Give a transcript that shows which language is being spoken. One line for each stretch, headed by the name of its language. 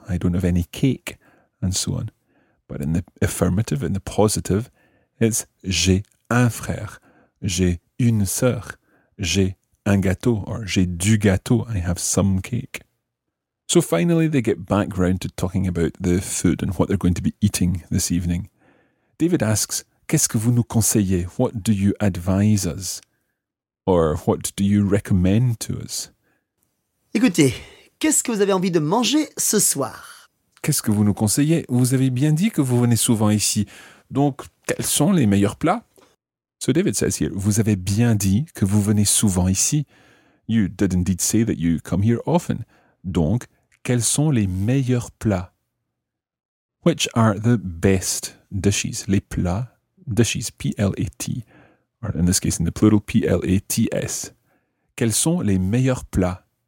English: I don't have any cake. And so on. But in the affirmative, in the positive, it's
French: j'ai un frère. J'ai une sœur. J'ai un gâteau.
English: Or
French: j'ai du gâteau.
English: I have some cake. So finally, they get back round to talking about the food and what they're going to be eating this evening. David asks,
French: qu'est-ce que vous nous conseillez?
English: What do you advise us? Or what do you recommend to us?
French: Écoutez, qu'est-ce que vous avez envie de manger ce soir? Qu'est-ce que vous nous conseillez? Vous avez bien dit que vous venez souvent ici. Donc, quels sont les meilleurs plats?
English: So David says here,
French: vous avez bien dit que vous venez souvent ici.
English: You did indeed say that you come here often.
French: Donc, quels sont les meilleurs plats?
English: Which are the best dishes?
French: Les plats,
English: dishes, P-L-A-T. Or in this case, in the plural, P-L-A-T-S.
French: Quels sont les meilleurs plats?